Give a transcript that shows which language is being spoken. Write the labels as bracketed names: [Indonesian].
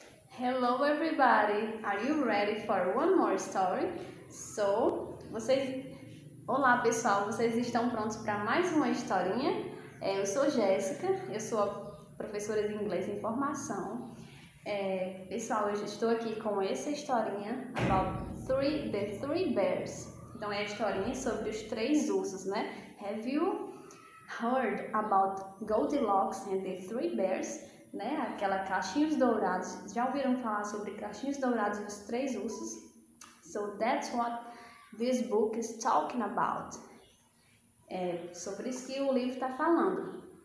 [English] Hello everybody, are you ready for one more story? [Portuguese] So, vocês... Olá pessoal, vocês estão prontos para mais uma historinha? Eu sou Jéssica, eu sou a professora de inglês em formação. Pessoal, eu estou aqui com essa historinha [English] about the three bears. [Portuguese] Então é a historinha sobre os três ursos, né? [English] Have you heard about Goldilocks and the three bears? [Portuguese] Né? Aquela caixinhos dourados. Já ouviram falar sobre caixinhos dourados e os três ursos? [English] So that's what this book is talking about. [Portuguese] É sobre isso que o livro está falando.